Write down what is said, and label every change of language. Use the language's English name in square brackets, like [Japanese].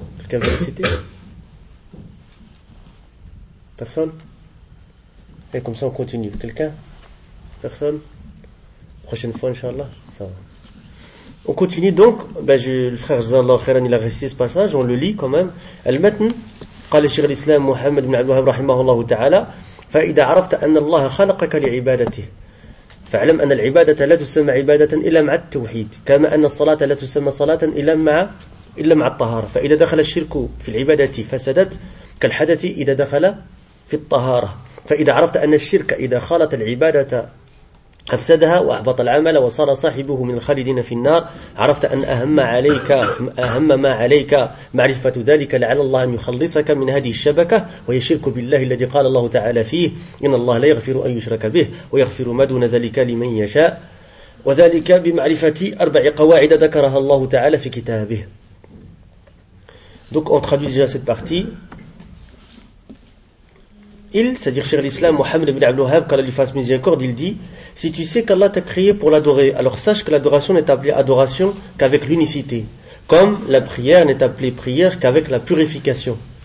[French] Quelqu'un veut réciter? Personne? Et comme ça on continue. Quelqu'un? Personne? Prochaine fois, Inch'Allah, ça va. On continue donc, le frère Zallah Khairan, il a récité ce passage, on le lit quand même. [Arabic] Al-Matn, قال الشيخ الإسلام محمد بن عبد الوهاب رحمه الله تعالى, فإذا عرفت أن الله خلقك لعبادته. فعلم أن العبادة لا تسمى عبادة إلا مع التوحيد، كما أن الصلاة لا تسمى صلاة إلا مع الطهارة. فإذا دخل الشرك في العبادة فسدت كالحدث إذا دخل في الطهارة. فإذا عرفت أن الشرك إذا خالط العبادة أفسدها وأحبط العمل وصار صاحبه من الخالدين في النار، عرفت أن أهم ما عليك معرفة ذلك، لعل الله أن يخلصك من هذه الشبكة وهي الشرك بالله الذي قال الله تعالى فيه: إن الله لا يغفر أن يشرك به ويغفر ما دون ذلك لمن يشاء. وذلك بمعرفة أربع قواعد ذكرها الله تعالى في كتابه. [French] Donc on traduit déjà cette partie. Il, c'est-à-dire Cheikh l'Islam Mohammed ibn Abdul Wahhab, qu'Allah lui fasse miséricorde, il dit: si tu sais qu'Allah t'a créé pour l'adorer, alors sache que l'adoration n'est appelée adoration qu'avec l'unicité, comme la prière n'est appelée prière qu'avec la purification.